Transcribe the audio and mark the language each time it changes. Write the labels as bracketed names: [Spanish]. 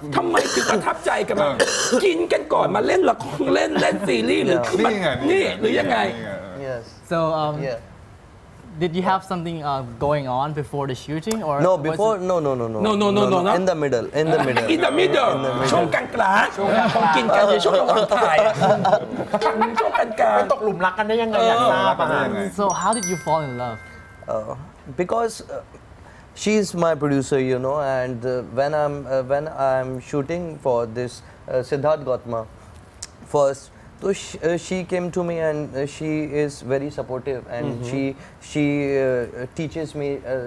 [Thai] ทำไมถึงประทับใจกันมากินกันก่อนมาเล่นละครเล่นซีรีส์หรือ นี่ไง นี่หรือยังไง [English] yes so did you have something going on before the shooting or no before no in the middle [Thai] ช่วงกลางกลางช่วงกินกันช่วงระหว่างถ่ายช่วงกลางกลาง ตกหลุมรักกันได้ยังไงอ่ะ [English] so how did you fall in love becauseShe is my producer, you know, and when I'm shooting for this Siddharth Gautama first, so she came to me and she is very supportive and she teaches me